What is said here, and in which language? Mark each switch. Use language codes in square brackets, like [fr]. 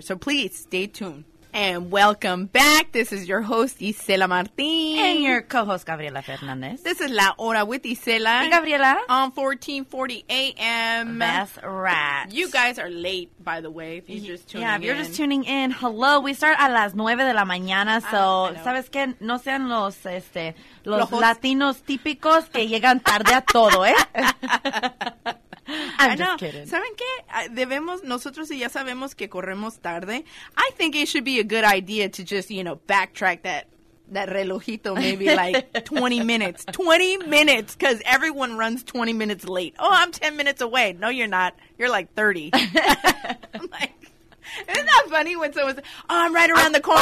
[en] So please stay tuned. And welcome back. This is your host, Isela Martin. And your co-host, Gabriela Fernandez. This is La Hora with Isela. Hey, Gabriela. On 1440 AM. That's right. You guys are late, by the way, if you're just tuning in. Yeah, if you're just tuning in, hello. We start [es] a las 9 de la mañana, so, ¿sabes qué? No sean los latinos típicos que llegan tarde a todo, ¿eh? [en] I'm just kidding. [es] ¿Saben qué? Debemos, nosotros ya sabemos que corremos tarde. [en] I think it should be a good idea to just, you know, backtrack that relojito maybe like 20 minutes. 20 minutes, because everyone runs 20 minutes late. Oh, I'm 10 minutes away. No, you're not. You're like 30. I'm like, isn't that funny when someone's, oh, I'm right around the corner.